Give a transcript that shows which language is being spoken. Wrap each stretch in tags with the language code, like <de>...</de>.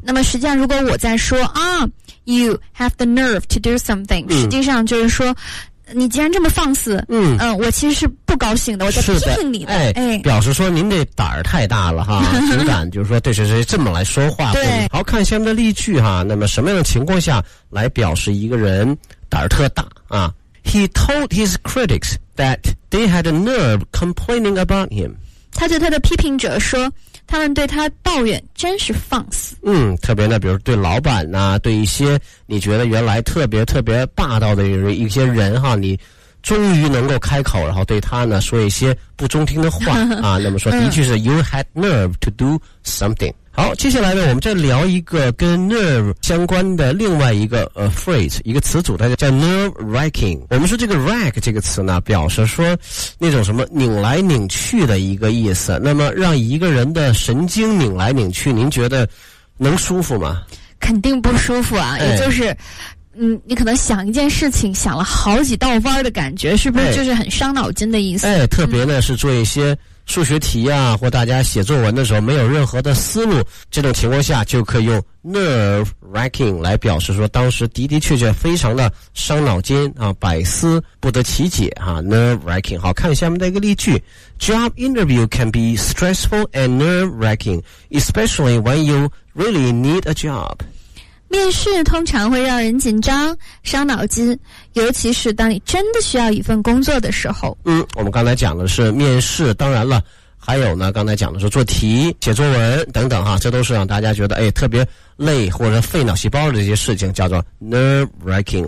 <zh>那么实际上如果我在说啊 ,</zh> <en>you have the nerve to do something,</en> <zh>实际上就是说你既然这么放肆，我其实是不高兴的，我在批评你的。哎，表示说您这胆儿太大了哈，只敢就是说对谁谁这么来说话。对。好，看下面的例句哈，那么什么样的情况下来表示一个人胆儿特大啊。</zh> <en>He told his critics that they had a nerve complaining about him.</en> <zh>他对他的批评者说，他们对他抱怨真是放肆。嗯，特别呢，比如对老板呐、啊，对一些你觉得原来特别特别霸道的一些人哈，你终于能够开口，然后对他呢说一些不中听的话啊。那么说，的确是</zh> <en>you had nerve to do something。</en> <zh>好，接下来呢，我们再聊一个跟 nerve 相关的另外一个phrase， 一个词组，它叫 nerve wracking。我们说这个 wrack 这个词呢，表示说那种什么拧来拧去的一个意思。那么让一个人的神经拧来拧去，您觉得能舒服吗？肯定不舒服啊，也就是。你可能想一件事情想了好几道弯的感觉，是不是就是很伤脑筋的意思？哎，特别呢是做一些数学题啊，或大家写作文的时候没有任何的思路，这种情况下就可以用 nerve wracking 来表示说当时的的确确非常的伤脑筋啊，百思不得其解啊， nerve wracking。好，看下面的一个例句，</zh> <en>Job interview can be stressful and nerve wracking, especially when you really need a job.</en> <zh>面试通常会让人紧张伤脑筋，尤其是当你真的需要一份工作的时候。嗯，我们刚才讲的是面试，当然了还有呢，刚才讲的是做题写作文等等哈，这都是让大家觉得哎特别累或者费脑细胞的这些事情，叫做 nerve wracking。</zh>